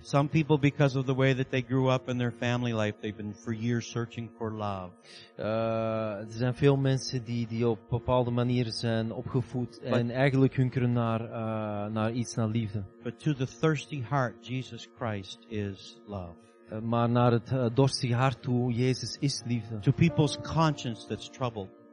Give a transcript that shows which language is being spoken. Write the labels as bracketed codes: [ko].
[en] Some people, because of the way that they grew up in their family life, they've been for years searching for love. [nl] Er zijn veel mensen die op bepaalde manieren zijn opgevoed en eigenlijk hunkeren naar liefde. [en] But to the thirsty heart, Jesus Christ is love. [nl] Maar naar het dorstige hart toe, Jezus is liefde. [en] To people's conscience that's troubled.